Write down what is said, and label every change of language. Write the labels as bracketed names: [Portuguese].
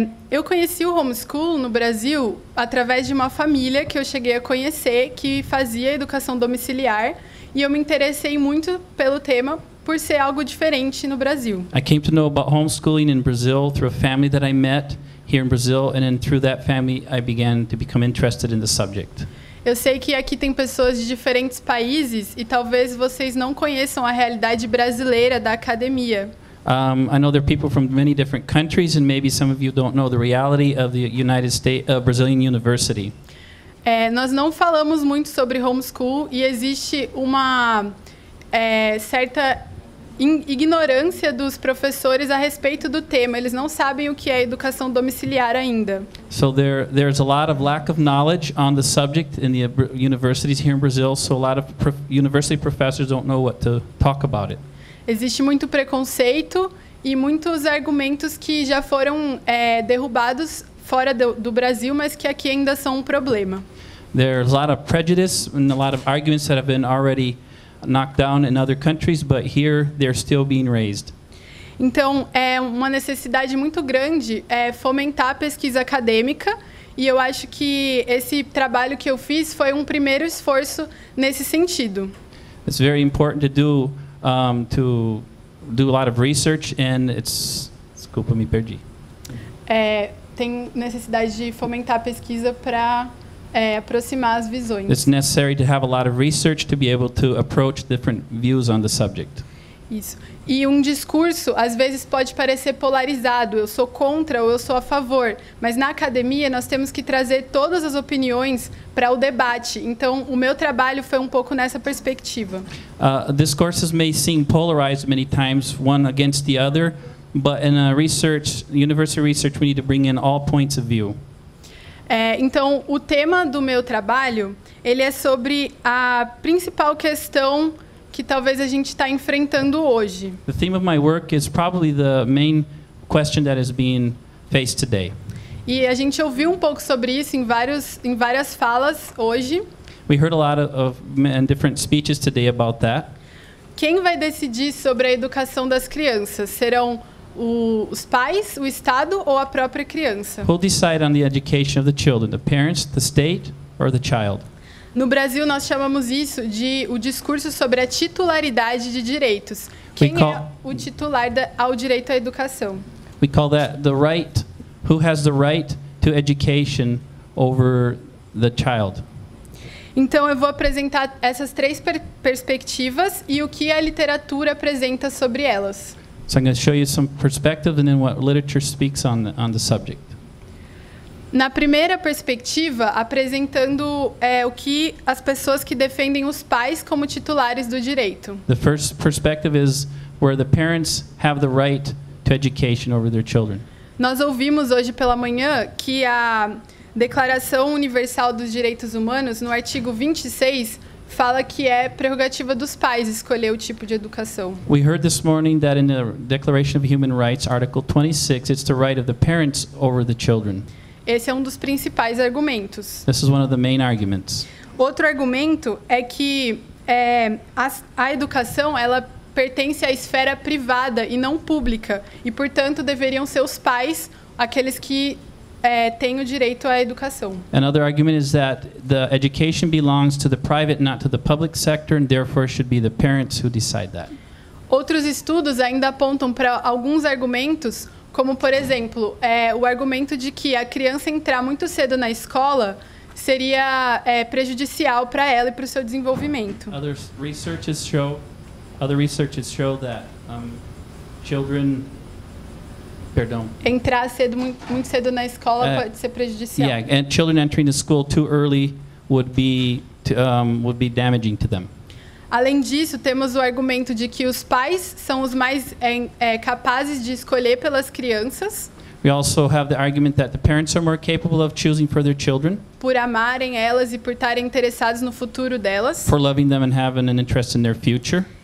[Portuguese] Eu conheci o homeschool no Brasil através de uma família que eu cheguei a conhecer que fazia educação domiciliar e eu me interessei muito pelo tema por ser algo diferente no Brasil. [English] I came to know about homeschooling in Brazil through a family that I met here in Brazil, and then through that family I began to become interested in the subject. [Portuguese] Eu sei que aqui tem pessoas de diferentes países e talvez vocês não conheçam a realidade brasileira da academia. [English] I know there are people from many different countries, and maybe some of you don't know the reality of the United States, Brazilian university. [Portuguese] Nós não falamos muito sobre homeschool e existe uma certa ignorância dos professores a respeito do tema. Eles não sabem o que é educação domiciliar ainda. [English] So there's a lot of lack of knowledge on the subject in the universities here in Brazil. So a lot of university professors don't know what to talk about it. [Portuguese] Existe muito preconceito e muitos argumentos que já foram derrubados fora do Brasil, mas que aqui ainda são um problema. [English] There's a lot of prejudice and a lot of arguments that have been already knocked down in other countries, but here they're still being raised. [Portuguese] Então, é uma necessidade muito grande fomentar a pesquisa acadêmica, e eu acho que esse trabalho que eu fiz foi um primeiro esforço nesse sentido. [English] It's very important to do to do a lot of research, and it's, [Portuguese] desculpa, me perdi. Tem necessidade de fomentar a pesquisa para aproximar as visões. [English] It's necessary to have a lot of research to be able to approach different views on the subject. [Portuguese] Isso. E discurso às vezes pode parecer polarizado, eu sou contra ou eu sou a favor, mas na academia nós temos que trazer todas as opiniões para o debate. Então, o meu trabalho foi pouco nessa perspectiva. [English] Discourses may seem polarized many times, one against the other, but in a research, university research, we need to bring in all points of view. [Portuguese] Então, o tema do meu trabalho, ele é sobre a principal questão que talvez a gente está enfrentando hoje. [English] The theme of my work is probably the main question that is being faced today. [Portuguese] E a gente ouviu pouco sobre isso em várias falas hoje. [English] We heard a lot of different speeches today about that. [Portuguese] Quem vai decidir sobre a educação das crianças? Serão os pais, o Estado ou a própria criança? [English] Who'll decide on the education of the children? The parents, the state, or the child? [Portuguese] No Brasil, nós chamamos isso de o discurso sobre a titularidade de direitos. Quem é o titular ao direito à educação? [English] We call that the right, who has the right to education over the child. [Portuguese] Então, eu vou apresentar essas três perspectivas e o que a literatura apresenta sobre elas. [English] So I'm going to show you some perspective and then what literature speaks on the subject. [Portuguese] Na primeira perspectiva, apresentando o que as pessoas que defendem os pais como titulares do direito. [English] The first perspective is where the parents have the right to education over their children. [Portuguese] Nós ouvimos hoje pela manhã que a Declaração Universal dos Direitos Humanos, no artigo 26, fala que é prerrogativa dos pais escolher o tipo de educação. [English] We heard this morning that in the Declaration of Human Rights, article 26, it's the right of the parents over the children. [Portuguese] Esse é dos principais argumentos. [English] This is one of the main arguments. [Portuguese] Outro argumento é que a educação, ela pertence à esfera privada e não pública, e portanto deveriam ser os pais aqueles que têm o direito à educação. [English] Another argument is that the education belongs to the private, not to the public sector, and therefore should be the parents who decide that. [Portuguese] Outros estudos ainda apontam para alguns argumentos, como por exemplo, o argumento de que a criança entrar muito cedo na escola seria prejudicial para ela e para o seu desenvolvimento. [English] Other researches show that children, [Portuguese] entrar cedo, muito cedo na escola pode ser prejudicial. [English] Yeah, and children entering the school too early would be damaging to them. [Portuguese] Além disso, temos o argumento de que os pais são os mais capazes de escolher pelas crianças. [English] We also have the argument that the parents are more capable of choosing for their children. [Portuguese] Por amarem elas e por estarem interessados no futuro delas. [English] For loving them and having an interest in their future.